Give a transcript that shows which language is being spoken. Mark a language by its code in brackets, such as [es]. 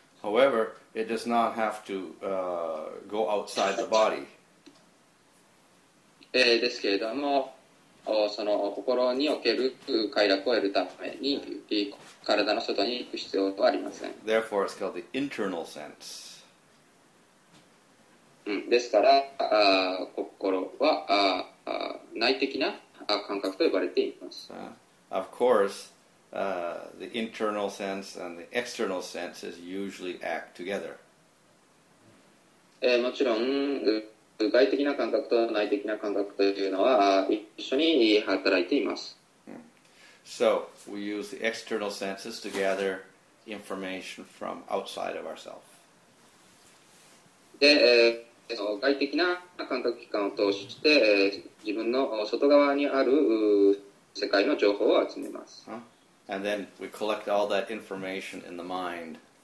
[en] However, it does not have to go outside the body. [ja] ですけれどもその心における快楽を得るために体の外に行く必要はありません。 [en] Therefore, it's called the internal sense. [ja] ですから心は内的な感覚と呼ばれています。 [en] Of course, the internal sense and the external senses usually act together. [ja] もちろん外的な感覚と内的な感覚というのは一緒に働いています。 [en] So we use the external senses to gather information from outside of ourselves. [ja] で外的な感覚器官を通して自分の外側にある世界の情報を集めます。 [en] And then we collect all that information in the mind.